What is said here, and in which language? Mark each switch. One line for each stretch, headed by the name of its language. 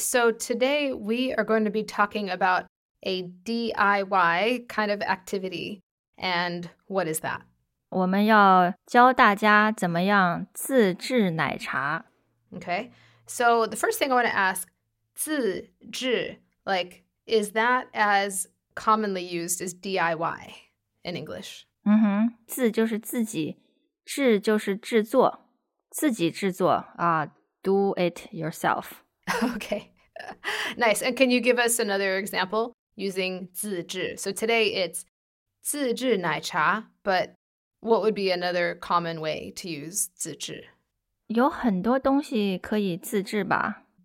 English: So today we are going to be talking about a DIY kind of activity. And what is that?
Chinese: 我们要教大家怎么样自制奶茶。
English: Okay. So the first thing I want to ask, 自制, like, is that as commonly used as DIY in English?
Chinese: 自就是自己,制就是制作,自己制作,
English: do it yourself. Okay, nice. And can you give us another example using 自制? So today it's 自制奶茶, but what would be another common way to use 自制?
Chinese: 有很多东西可以自制吧。